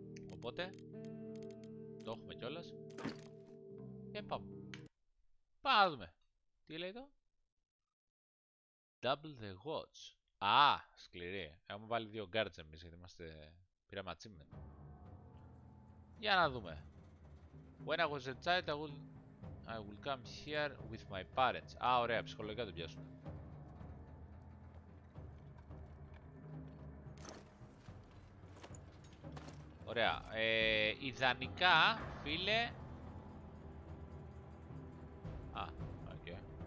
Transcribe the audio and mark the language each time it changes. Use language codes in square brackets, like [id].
[el] Οπότε, το έχουμε κιόλας. Και πάμε. Πάμε να δούμε. Τι λέει εδώ. [en] Double the watch. [el] Α, σκληρή. Έχουμε βάλει δύο guards εμείς, γιατί είμαστε... Πήραμε achievement. Για να δούμε. [en] When I was a child, I will come here with my parents. [el] Α, ωραία, ψυχολογικά το πιάσουμε. Ωραία. Ιδανικά, φίλε... Α, οκ. Okay.